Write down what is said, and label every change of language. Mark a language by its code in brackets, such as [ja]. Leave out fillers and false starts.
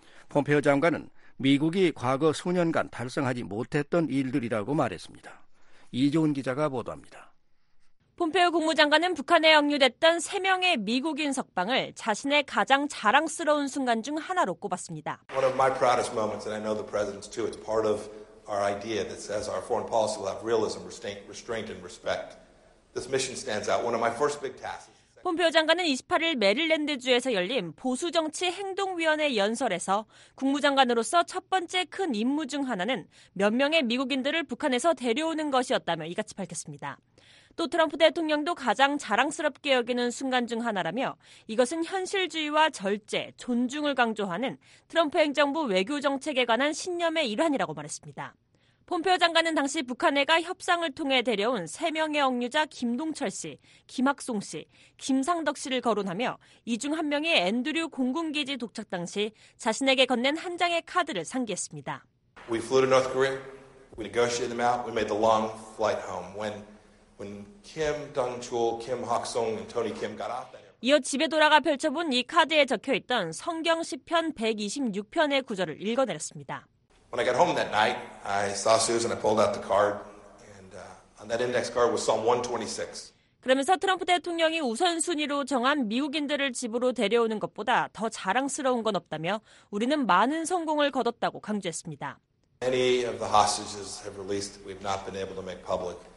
[ko] 폼페오 장관은 미국이 과거 수년간 달성하지 못했던 일들이라고 말했습니다. 이종훈 기자가 보도합니다. 폼페오 국무장관은 북한에 억류됐던 3명의 미국인 석방을 자신의 가장 자랑스러운 순간 중 하나로 꼽았습니다. [en] One of my proudest moments, and I know the president's too, it's part of our idea that says our foreign policy will have realism, restraint, and respect. This mission stands out. One of my first big tasks. [ko] 폼페오 장관은 28일 메릴랜드주에서 열린 보수정치행동위원회 연설에서 국무장관으로서 첫 번째 큰 임무 중 하나는 몇 명의 미국인들을 북한에서 데려오는 것이었다며 이같이 밝혔습니다. 또 트럼프 대통령도 가장 자랑스럽게 여기는 순간 중 하나라며 이것은 현실주의와 절제, 존중을 강조하는 트럼프 행정부 외교정책에 관한 신념의 일환이라고 말했습니다. 폼페오 장관은 당시 북한애가 협상을 통해 데려온 3명의 억류자 김동철 씨, 김학송 씨, 김상덕 씨를 거론하며 이 중 한 명이 앤드류 공군기지 도착 당시 자신에게 건넨 한 장의 카드를 상기했습니다. [en] We flew to North Korea. We negotiated them out. We made the long flight home. When Kim Dong-chul, Kim Hak-song, and Tony Kim got off that. [ko] 이어 집에 돌아가 펼쳐본 이 카드에 적혀있던 성경 시편 126편의 구절을 읽어내렸습니다. [en] When I got home that night, I saw Susan. I pulled out the card, and on that index card was Psalm 126. [ko] 그러면서 트럼프 대통령이 우선순위로 정한 미국인들을 집으로 데려오는 것보다 더 자랑스러운 건 없다며 우리는 많은 성공을 거뒀다고 강조했습니다. [en] Any of the hostages have released, we've not been able to make public.